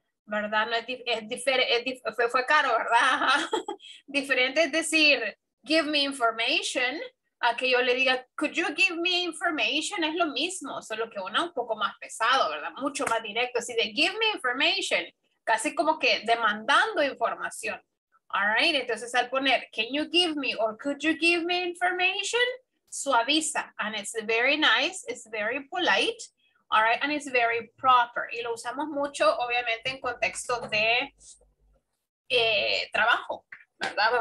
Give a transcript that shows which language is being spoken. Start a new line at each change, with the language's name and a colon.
Spanish: ¿Verdad? No fue Caro, ¿verdad? Diferente es decir,
English: give me information,
Spanish: a que yo le diga,
English: could you give me information?
Spanish: Es lo mismo, solo que una un poco más pesado, ¿verdad? Mucho más directo, así de
English: give me information,
Spanish: casi como que demandando información.
English: All right,
Spanish: entonces al poner,
English: can you give me or could you give me information?
Spanish: Suaviza,
English: and it's very nice, it's very polite. All right, and it's very proper.
Spanish: Y lo usamos mucho, obviamente, en contexto de trabajo, ¿verdad?